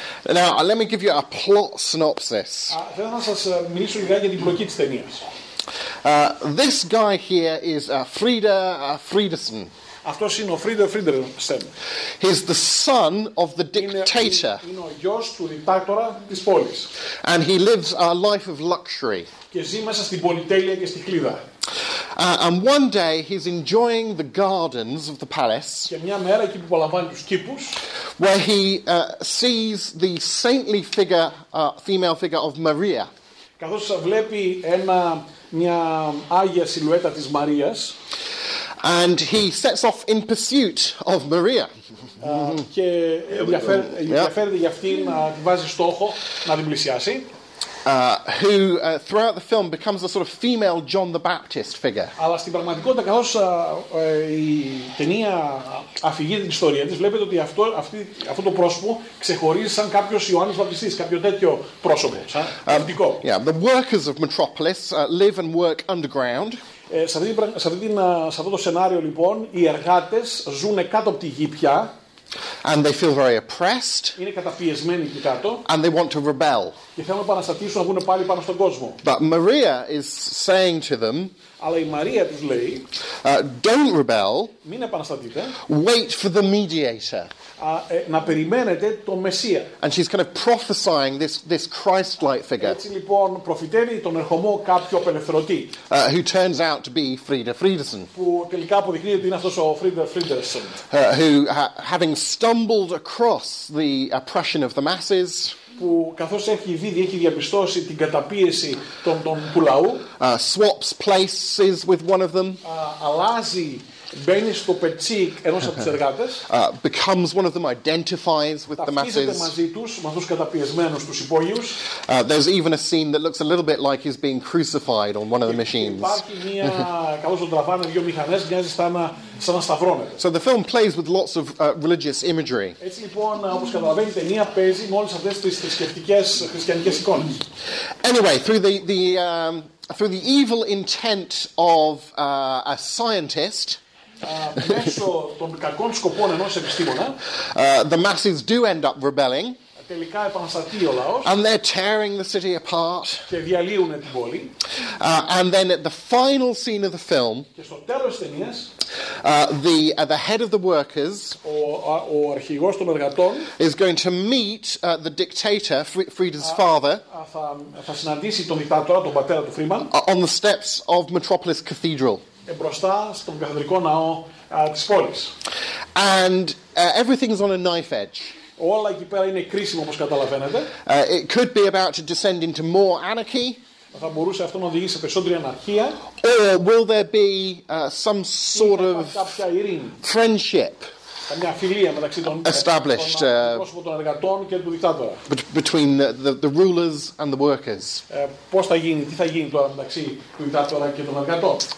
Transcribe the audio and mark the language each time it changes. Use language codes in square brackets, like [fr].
[en] Now, let me give you a plot synopsis. [el] Θέλω να σας μιλήσω λίγα για την πλοκή της ταινίας. [en] This guy here is Friedersen. [el] Αυτός είναι ο Friedersen. [en] He's the son of the dictator. [el] Είναι ο γιος του δικτάτορα της πόλης. [en] And he lives a life of luxury. [el] Και ζει μέσα στην πολυτέλεια και στη χλίδα. [en] And one day he's enjoying the gardens of the palace. [el] Και μια μέρα εκεί που απολαμβάνει τους κήπους. [en] Where he sees the saintly figure, female figure of Maria. [el] Καθώς βλέπει μια άγια σιλουέτα της Μαρίας. [en] And he sets off in pursuit of Maria. [el] Και ενδιαφέρεται για αυτήν, τη βάζει στόχο να την πλησιάσει. [en] Who throughout the film becomes a sort of female John the Baptist figure. [el] Αλλά στην πραγματικότητα, καθώς η ταινία αφηγεί την ιστορία της, βλέπετε ότι αυτό το πρόσωπο ξεχωρίζει σαν κάποιος Ιωάννης Βαπτιστής, κάποιο τέτοιο πρόσωπο, σαν ευτικό. [en] Yeah, the workers of Metropolis live and work underground. [el] Σε αυτό το σενάριο, λοιπόν, οι εργάτες ζουν κάτω από τη γη πια. [en] And they feel very oppressed. [el] Είναι καταπιεσμένοι εκεί κάτω. [en] And they want to rebel. [el] Και θέλουν να παραστατήσουν, να βγουν πάλι πάνω στον κόσμο. [en] But Maria is saying to them. [el] Αλλά η Μαρία τους λέει. [en] Don't rebel. [el] Μην επαναστατείτε. [en] Wait for the mediator. [el] Να περιμένετε το Μεσσία. [en] And she's kind of prophesying this Christ-like figure. [el] Έτσι λοιπόν προφητεύει τον ερχομό κάποιου απελευθερωτή. [en] Who turns out to be Friedersen. [el] Που τελικά αποδεικνύεται ότι είναι αυτός ο Friedersen. [en] Who having stumbled across the oppression of the masses. [el] Που καθώς έχει δει, έχει διαπιστώσει την καταπίεση των του λαού. [en] Swaps places with one of them. [el] Αλλάζει. Μπαίνει στο πετσί ενός από τους εργάτες. [en] Becomes one of them, identifies with the masses. [el] Ταυτίζεται μαζί τους, με αυτούς καταπιεσμένους τους υπόγειους. [en] There's even a scene that looks a little bit like he's being crucified on one of the machines. [el] Υπάρχει μια, καλώς τον τραβάνε δύο μηχανές, μοιάζει σαν να σαν να σταυρώνεται. [en] So the film plays with lots of religious imagery. [el] Έτσι λοιπόν, όπως καταλαβαίνει, η ταινία παίζει με όλες αυτές τις θρησκευτικές χριστιανικές εικόνες. [en] Anyway, through through the evil intent of a scientist. [el] Μέσω των κακών σκοπών ενός επιστήμονα. [en] The masses do end up rebelling. [el] Τελικά επαναστατεί ο λαός. [en] And they're tearing the city apart. [el] Και διαλύουν την πόλη. [en] And then at the final scene of the film. [el] Και στο τέλος της ταινίας. [en] The head of the workers. [el] Ο αρχηγός των εργατών. [en] Is going to meet the dictator, Frieda's father. [el] Θα συναντήσει τον δικτάτορα, τον πατέρα του Φρίμαν. [en] On the steps of Metropolis Cathedral. [el] Μπροστά στον καθεδρικό ναό της πόλης. [en] And everything's on a knife edge. [el] Όλα εκεί πέρα είναι κρίσιμο, όπως καταλαβαίνετε. [en] It could be about to descend into more anarchy. [el] Θα μπορούσε αυτό να οδηγήσει σε περισσότερη αναρχία. [en] Or will there be some sort of friendship? [el] Μια φιλία μεταξύ των [en] established [el] των εργατών και του δικτάτορα. [en] Between the rulers and the workers. [el] Πώς θα γίνει, τι θα γίνει τώρα μεταξύ του δικτάτορα και των εργατών;